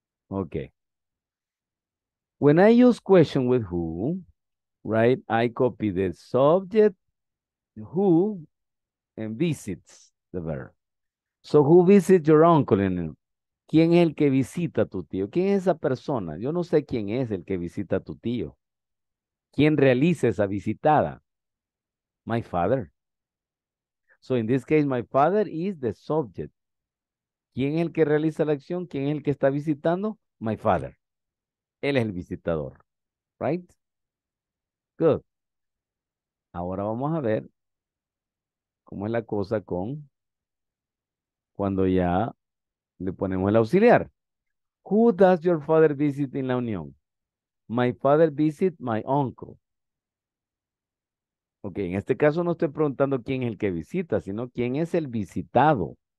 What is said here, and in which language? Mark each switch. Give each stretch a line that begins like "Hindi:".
English: Okay. When I use question with who, right, I copy the subject, who, and visits the verb. So, who visits your uncle?
Spanish: ¿Quién es el que visita a tu tío? ¿Quién es esa persona? Yo no sé quién es el que visita a tu tío. ¿Quién realiza esa visitada?
English: My father. So, in this case, my father is the subject.
Spanish: ¿Quién es el que realiza la acción? ¿Quién es el que está visitando?
English: My father.
Spanish: Él es el visitador.
English: Right? Good.
Spanish: Ahora vamos a ver cómo es la cosa con cuando ya le ponemos el auxiliar.
English: Who does your father visit in La Unión? My father visit my uncle.
Spanish: Ok, en este caso no estoy preguntando quién es el que visita, sino quién es el visitado.